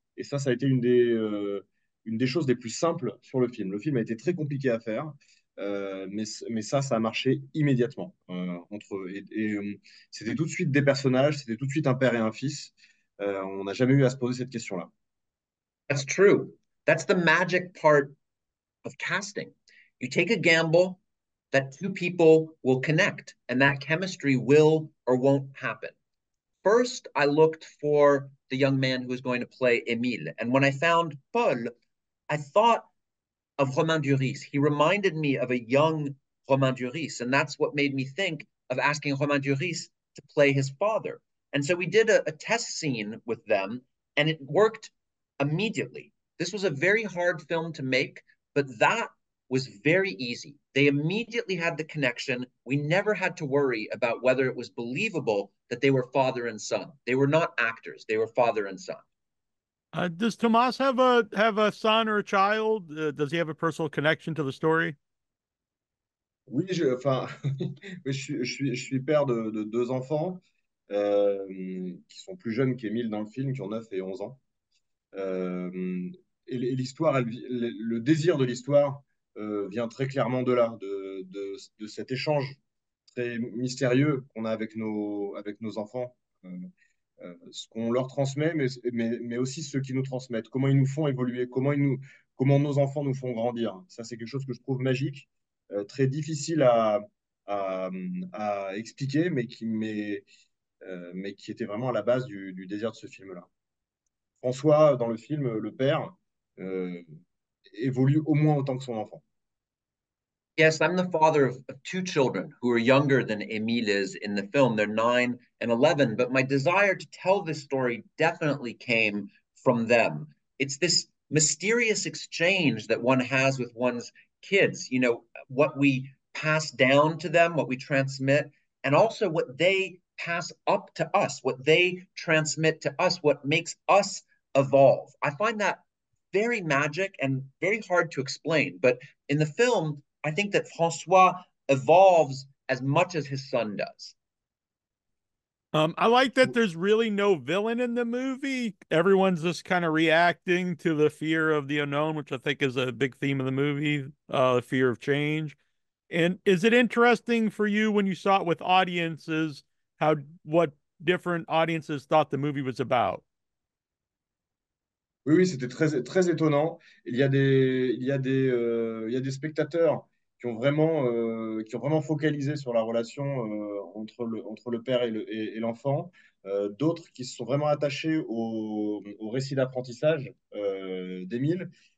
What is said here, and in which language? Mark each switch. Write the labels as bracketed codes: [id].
[fr] Et ça a été une des choses les plus simples sur le film. Le film a été très compliqué à faire. Mais ça a marché immédiatement entre eux. C'était tout de suite des personnages, c'était tout de suite un père et un fils. On n'a jamais eu à se poser cette question-là. [en] That's true. That's the magic part of casting. You take a gamble that two people will connect and that chemistry will or won't happen. First, I looked for the young man who was going to play Emile. And when I found Paul, I thought of Romain Duris. He reminded me of a young Romain Duris, and that's what made me think of asking Romain Duris to play his father. And so we did a test scene with them, and it worked immediately. This was a very hard film to make, but that was very easy. They immediately had the connection. We never had to worry about whether it was believable that they were father and son. They were not actors. They were father and son. Does Tomas have a son or a child? Does he have a personal connection to the story? [fr] Oui, je suis père de deux enfants qui sont plus jeunes qu'Emile dans le film, qui ont 9 et 11 ans. Et l'histoire, le désir de l'histoire vient très clairement de là, de cet échange très mystérieux qu'on a avec nos enfants. Ce qu'on leur transmet, mais aussi ce qu'ils nous transmettent, comment ils nous font évoluer, comment nos enfants nous font grandir. Ça, c'est quelque chose que je trouve magique, très difficile à expliquer, mais qui était vraiment à la base du désir de ce film-là. François, dans le film, le père, évolue au moins autant que son enfant. [en] Yes, I'm the father of two children who are younger than Emile is in the film. They're 9 and 11, but my desire to tell this story definitely came from them. It's this mysterious exchange that one has with one's kids, you know, what we pass down to them, what we transmit, and also what they pass up to us, what they transmit to us, what makes us evolve. I find that very magic and very hard to explain, but in the film, I think that François evolves as much as his son does. I like that there's really no villain in the movie. Everyone's just kind of reacting to the fear of the unknown, which I think is a big theme of the movie, the fear of change. And is it interesting for you when you saw it with audiences, what different audiences thought the movie was about? [fr] Oui, c'était très, très étonnant. Il y a des spectateurs qui ont vraiment focalisé sur la relation entre le père et l'enfant. D'autres qui se sont vraiment attachés au récit d'apprentissage d'Émile.